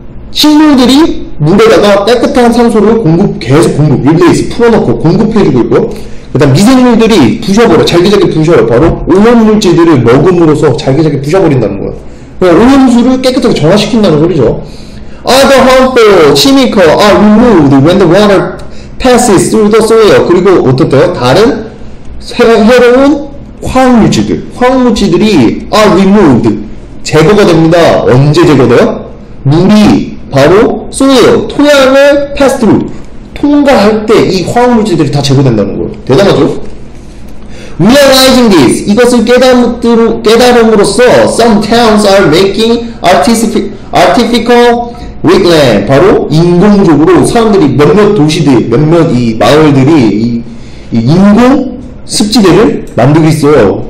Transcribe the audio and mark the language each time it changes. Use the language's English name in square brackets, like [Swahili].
[Korean] 식물들이 물에다가 깨끗한 산소를 계속 공급, 릴레이스 풀어놓고 공급해주고 있고, 그 다음 미생물들이 부셔버려, 잘기잘기 부셔요. 바로 오염물질들을 먹음으로써 잘기잘기 부셔버린다는 거야. 그러니까 오염수를 깨끗하게 정화시킨다는 소리죠. [English] Other harmful chemicals are removed when the water passes through the soil. [Korean] 그리고 어떻대요? 다른 새로운 화학물질들이 [English] are removed. [Korean] 제거가 됩니다. 언제 제거돼요? 물이 바로 소예요. 토양을 패스 트루 통과할 때 이 화학물질들이 다 제거된다는 거예요. 대단하죠? [English] Realizing this, [Korean] 이것을 깨달음으로써 [English] some towns are making artificial wetland. [Korean] 바로 인공적으로 사람들이 몇몇 도시들, 몇몇 이 마을들이 이 인공 습지대를 만들고 있어요.